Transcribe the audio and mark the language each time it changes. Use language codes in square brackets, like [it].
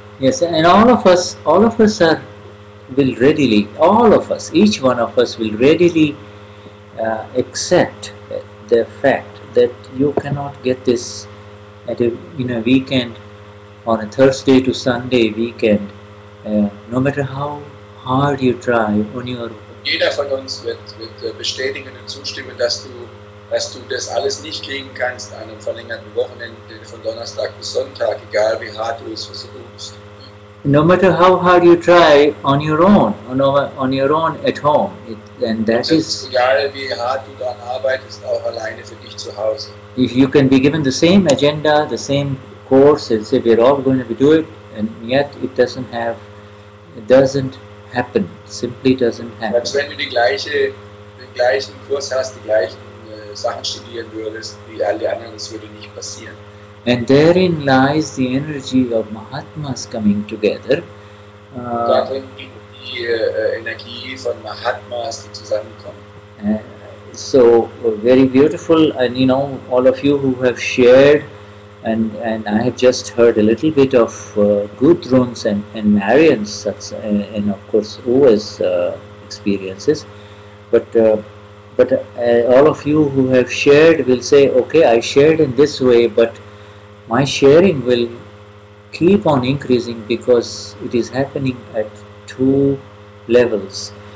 [en] Yes, and all of us will readily, all of us, each one of us will readily accept the fact that you cannot get this in a weekend, on a Thursday to Sunday weekend, no matter how hard you try on your own. [de] Jeder von uns wird bestätigen und zustimmen, dass du das alles nicht kriegen kannst an einem verlängerten Wochenende von Donnerstag bis Sonntag, egal wie hart du es versuchst. [en] No matter how hard you try on your own, on your own at home, [de] egal wie hart du daran arbeitest, auch alleine für dich zu Hause. [en] If you can be given the same agenda, the same course, and say we're all going to do it, and yet it doesn't happen, simply doesn't happen. [de] Als wenn du den gleichen Kurs hast, die gleichen Sachen studieren würdest wie alle anderen, das würde nicht passieren. [en] And therein lies the energy of Mahatmas coming together. [de] Darin liegt die Energie von Mahatmas, die zusammenkommen. [en] So very beautiful, and you know, all of you who have shared, and I have just heard a little bit of Gudrun's and Marion's and of course Uwe's experiences, but all of you who have shared will say, okay, I shared in this way, but my sharing will keep on increasing because it is happening at two levels.